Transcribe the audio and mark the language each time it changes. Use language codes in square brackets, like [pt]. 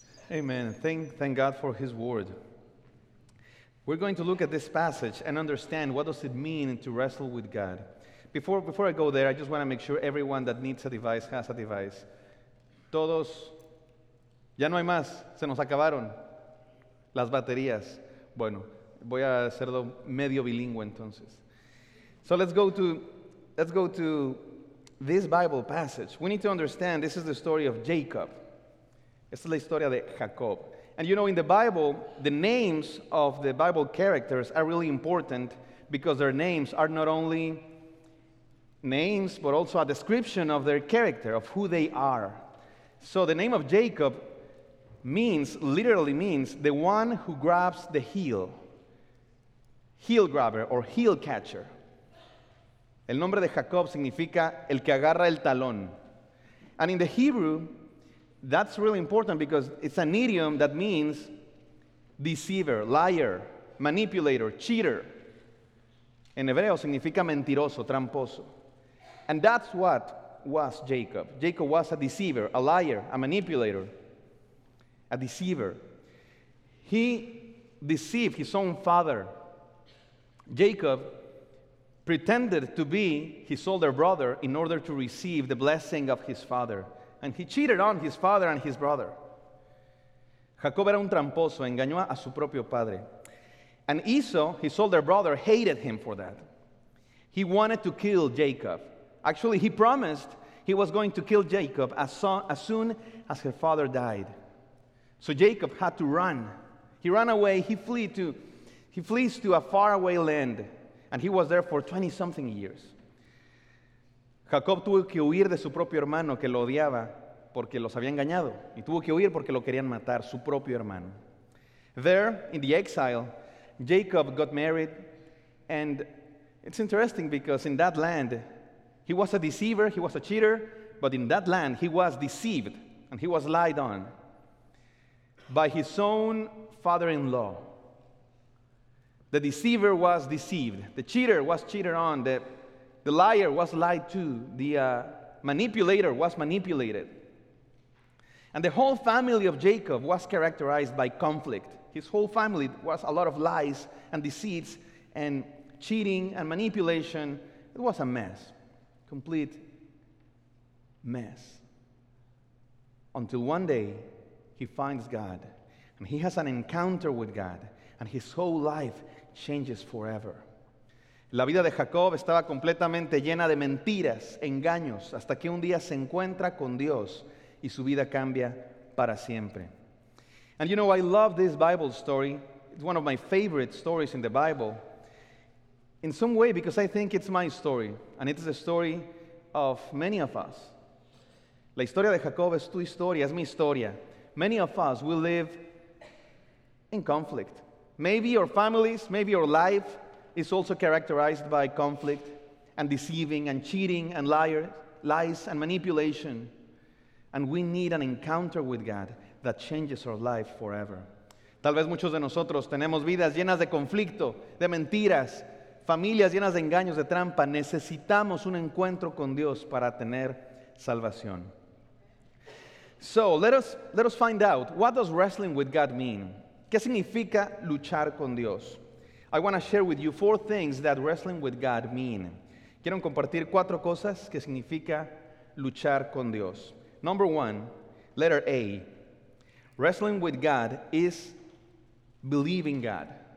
[en] Amen. Thank God for his word. We're going to look at this passage and understand what does it mean to wrestle with God. Before I go there, I just want to make sure everyone that needs a device has a device. [es] Todos, ya no hay más, se nos acabaron las baterías. Bueno, voy a hacerlo medio bilingüe entonces. [en] So let's go to this Bible passage. We need to understand this is the story of Jacob. [es] Esta es la historia de Jacob. [en] And you know, in the Bible, the names of the Bible characters are really important because their names are not only names, but also a description of their character, of who they are. So the name of Jacob literally means the one who grabs the heel. Heel grabber or heel catcher. [es] El nombre de Jacob significa el que agarra el talón. [en] And in the Hebrew, that's really important because it's an idiom that means deceiver, liar, manipulator, cheater. [es] En hebreo significa mentiroso, tramposo. [en] And that's what was Jacob. Jacob was a deceiver, a liar, a manipulator, a deceiver. He deceived his own father. Jacob pretended to be his older brother in order to receive the blessing of his father. And he cheated on his father and his brother. [es] Jacob era un tramposo, engañó a su propio padre. [en] And Esau, his older brother, hated him for that. He wanted to kill Jacob. Actually, he promised he was going to kill Jacob as soon as her father died. So Jacob had to run. He ran away, he flees to a faraway land. And he was there for 20-something years. [es] Jacob tuvo que huir de su propio hermano que lo odiaba porque los había engañado. Y tuvo que huir porque lo querían matar, su propio hermano. [en] There, in the exile, Jacob got married. And it's interesting because in that land, he was a deceiver, he was a cheater. But in that land, he was deceived and he was lied on by his own father-in-law. The deceiver was deceived. The cheater was cheated on. The liar was lied to. The manipulator was manipulated. And the whole family of Jacob was characterized by conflict. His whole family was a lot of lies and deceits and cheating and manipulation. It was a mess. Complete mess. Until one day, he finds God. And he has an encounter with God. And his whole life changes forever. [es] La vida de Jacob estaba completamente llena de mentiras, engaños, hasta que un día se encuentra con Dios y su vida cambia para siempre. [en] And you know, I love this Bible story. It's one of my favorite stories in the Bible. In some way, because I think it's my story, and it's the story of many of us. [es] La historia de Jacob es tu historia, es mi historia. [en] Many of us will live in conflict. Maybe your families, maybe your life is also characterized by conflict and deceiving and cheating and lies and manipulation. And we need an encounter with God that changes our life forever. [es] Tal vez muchos de nosotros tenemos vidas llenas de conflicto, de mentiras, familias llenas de engaños, de trampa. Necesitamos un encuentro con Dios para tener salvación. [en] So let us find out, what does wrestling with God mean? [es] ¿Qué significa luchar con Dios? [en] I want to share with you four things that wrestling with God mean. [es] Quiero compartir cuatro cosas que significa luchar con Dios. [en] Number one, letter A. Wrestling with God is believe in God.